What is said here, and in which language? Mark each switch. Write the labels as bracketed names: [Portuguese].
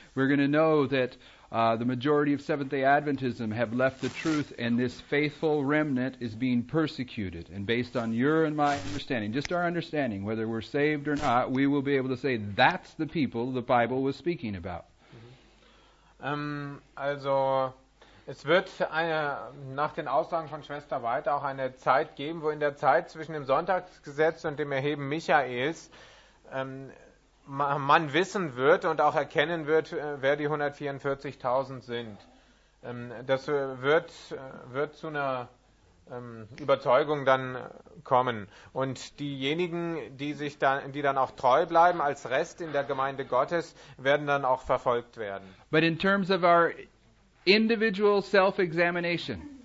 [English] We're going to know that the majority of Seventh-day Adventism have left the truth and this faithful remnant is being persecuted. And based on your and my understanding, just our understanding, whether we're saved or not, we will be able to say that's the people the Bible was speaking about. Mm-hmm. [German] Also, es wird nach den Aussagen von Schwester White auch eine Zeit geben, wo in der Zeit zwischen dem Sonntagsgesetz und dem Erheben Michaels man wissen wird und auch erkennen wird, wer die 144.000 sind. Das wird zu einer Überzeugung dann kommen. Und diejenigen, die dann auch treu bleiben als Rest in der Gemeinde Gottes, werden dann auch verfolgt werden. [English] But in terms of our individual self-examination.